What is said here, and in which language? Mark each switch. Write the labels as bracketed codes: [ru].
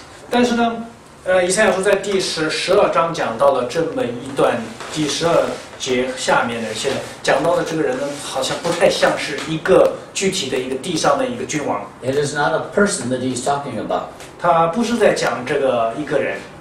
[zh] 但是呢，以赛亚书在第十二章讲到了这么一段，第十二节下面的现在讲到的这个人呢，好像不太像是一个具体的一个地上的一个君王。 [en] It is not a person that he's talking about. [zh] 他不是在讲这个一个人。